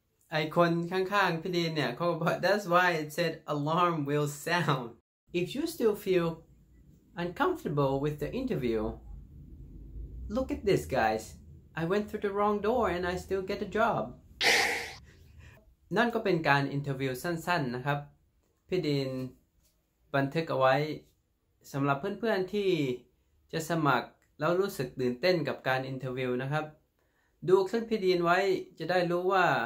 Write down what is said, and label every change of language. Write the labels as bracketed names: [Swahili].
[Thai] ไอ้คนข้างๆพี่ดีนเนี่ยเขาบอก [English] that's why it said alarm will sound. If you still feel uncomfortable with the interview, look at this, guys. I went through the wrong door and I still get a job. [Thai] นั่นก็เป็นการอินเทอร์วิวสั้นๆนะครับพี่ดีนบันทึกเอาไว้สำหรับเพื่อนๆที่จะสมัครแล้วรู้สึกตื่นเต้นกับการอินเทอร์วิวนะครับดูคลิปพี่ดีนไว้จะได้รู้ว่า